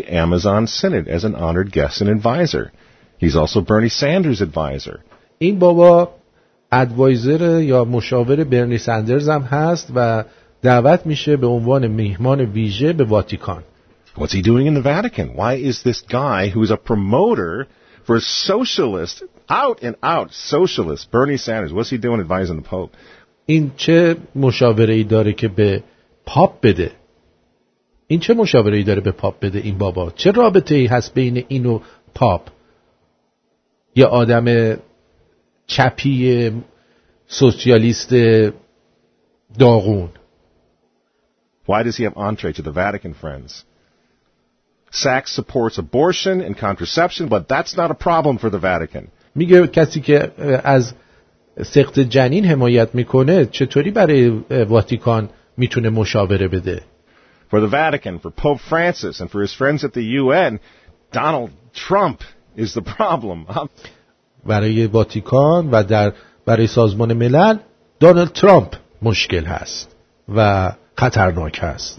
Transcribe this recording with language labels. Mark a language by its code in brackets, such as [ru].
[en] Amazon Senate as an honored guest and advisor. He's also Bernie Sanders advisor. [fa] این بابا ادوایزر یا مشاور برنی سندرز هم هست و دعوت میشه به عنوان مهمان ویژه به واتیکان. [en] What's he doing in the Vatican? Why is this guy who is a promoter for socialist, out and out socialist, Bernie Sanders? What's he doing advising the Pope? [fa] این چه مشاوره ای داره که به پاپ بده؟ این چه مشاوره ای داره به پاپ بده این بابا؟ چه رابطه ای هست بین اینو پاپ؟ یا آدم چپی سوسیالیست داغون؟ [en] Why does he have entree to the Vatican, friends? Sachs supports abortion and contraception, but that's not a problem for the Vatican. [fa] میگه کسی که از سقط جنین حمایت میکنه چطوری برای واتیکان میتونه مشاوره بده؟ [en] For the Vatican, for Pope Francis, and for his friends at the UN, Donald Trump is the problem. [fa] برای واتیکان و در برای سازمان ملل دونالد ترامپ مشکل هست و خطرناک است.